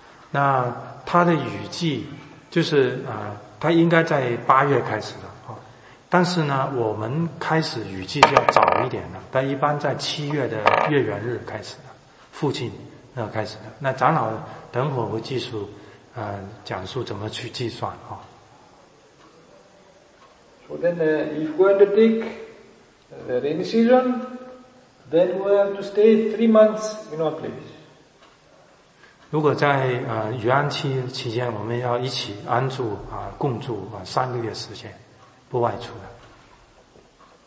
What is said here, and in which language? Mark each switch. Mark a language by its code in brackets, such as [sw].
[zh] 那它的雨季就是啊，它应该在八月开始的啊。但是呢，我们开始雨季就要早一点了，但一般在七月的月圆日开始的附近。那开始的，那长老等会会技术，讲述怎么去计算啊。 [en] So then, if we want to take the rain season, then we have to stay 3 months in our place. [zh] 如果在雨安期期间，我们要一起安住啊，共住啊，三个月时间，不外出的。